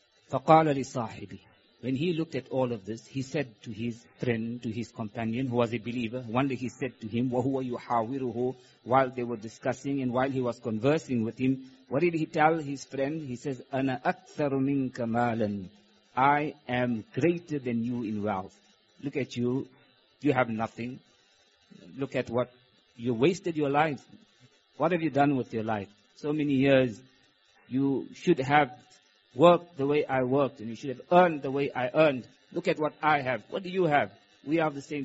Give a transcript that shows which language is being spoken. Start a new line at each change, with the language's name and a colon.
Arabic: فَقَالَ لِصَاحِبِهِ.
English: When he looked at all of this, he said to his friend, to his companion, who was a believer, one day he said to him,
Arabic: وَهُوَ يُحَاوِرُهُ.
English: While they were discussing and while he was conversing with him, what did he tell his friend? He says,
Arabic: أَنَا أَكْثَرُ مِنْكَ مَالًا.
English: I am greater than you in wealth. Look at you, you have nothing. Look at what, you wasted your life. What have you done with your life? So many years, you should have worked the way I worked, and you should have earned the way I earned. Look at what I have. What do you have? We are the same.